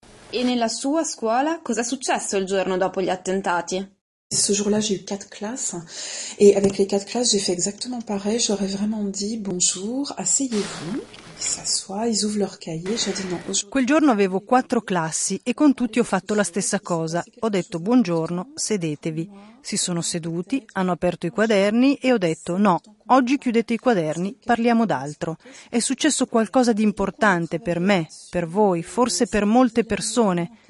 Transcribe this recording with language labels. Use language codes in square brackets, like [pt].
[it] E nella sua scuola cosa è successo il giorno dopo gli attentati? [fr] Ce jour-là, j'ai eu quatre classes, et avec les quatre classes, j'ai fait exactement pareil. J'aurais vraiment dit bonjour, asseyez-vous. [it] Quel giorno avevo quattro classi e con tutti ho fatto la stessa cosa. Ho detto buongiorno, sedetevi. Si sono seduti, hanno aperto i quaderni e ho detto no, oggi chiudete i quaderni, parliamo d'altro. È successo qualcosa di importante per me, per voi, forse per molte persone.